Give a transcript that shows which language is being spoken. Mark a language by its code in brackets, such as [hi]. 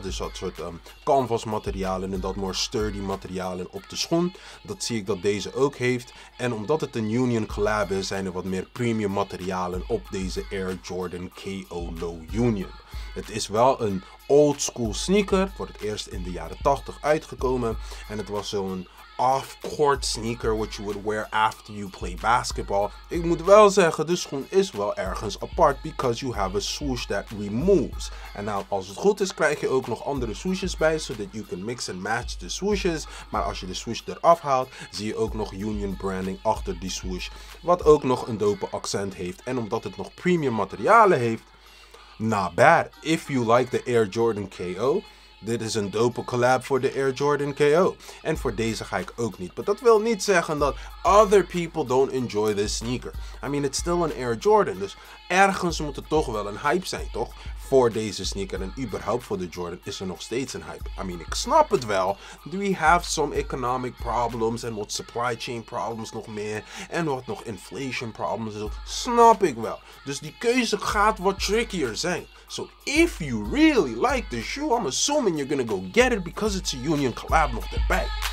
[nl] Dus dat soort canvas materialen en dat more sturdy materialen op de schoen. Dat zie ik dat deze ook heeft. En omdat het een Union collab is, zijn er wat meer premium materialen op deze Air Jordan KO Low Union. Het is wel een old school sneaker. Voor het eerst in de jaren 80 uitgekomen. En het was zo'n [en] off-court sneaker which you would wear after you play basketball. [nl] Ik moet wel zeggen, de schoen is wel ergens apart [en] because you have a swoosh that removes. [nl] En nou, als het goed is, krijg je ook nog andere swooshes bij [en] so that you can mix and match the swooshes. [nl] Maar als je de swoosh eraf haalt, zie je ook nog Union branding achter die swoosh. Wat ook nog een dope accent heeft. En omdat het nog premium materialen heeft, [en] not bad. If you like the Air Jordan KO, [nl] dit is een dope collab voor de Air Jordan KO. En voor deze ga ik ook niet. Maar dat wil niet zeggen dat [en] other people don't enjoy this sneaker. I mean, it's still an Air Jordan. [nl] Dus ergens moet er toch wel een hype zijn, toch? Voor deze sneaker en überhaupt voor de Jordan is er nog steeds een hype. [en] I mean, [nl] ik snap het wel. [en] We have some economic problems en wat supply chain problems [nl] nog meer. En wat nog inflation problems. Dus snap ik wel. Dus die keuze gaat wat trickier zijn. [en] So if you really like the shoe, I'm assuming you're gonna go get it because it's a Union collab [nl] nog erbij.